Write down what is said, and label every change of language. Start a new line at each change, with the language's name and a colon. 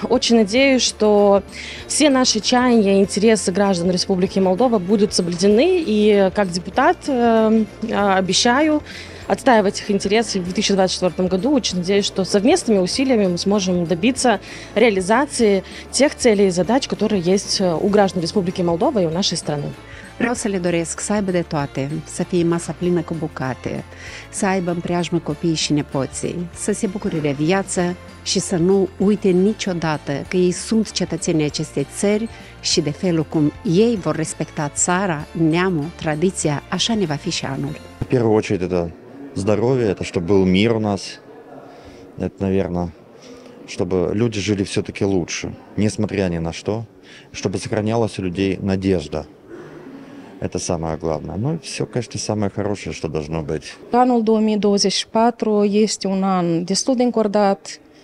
Russian: Очень надеюсь, что все наши чаяния и интересы граждан Республики Молдова будут соблюдены. И как депутат обещаю отстаивать их интересы в 2024 году. Очень надеюсь, что совместными усилиями мы сможем добиться реализации тех целей и задач, которые есть у граждан Республики Молдова и у нашей страны.
Romanian: Vreau să le doresc să aibă de toate, să fie masa plină cu bucate, să aibă în preajmă copiii și nepoții, să se bucure de viață și să nu uite niciodată că ei sunt cetățenii acestei țări și de felul cum ei vor respecta țara, neamul, tradiția, așa ne va fi și anul. În primul rând, este zdravie, este să fie mir în nas, este, naverna, să fie lucrurile
Russian: жили все-таки лучше, несмотря ни на что, чтобы сохранялась у людей надежда. Это самое главное. Ну, все, конечно, самое хорошее, что должно быть.
Romanian: Anul 2024 este un an destul de încordat.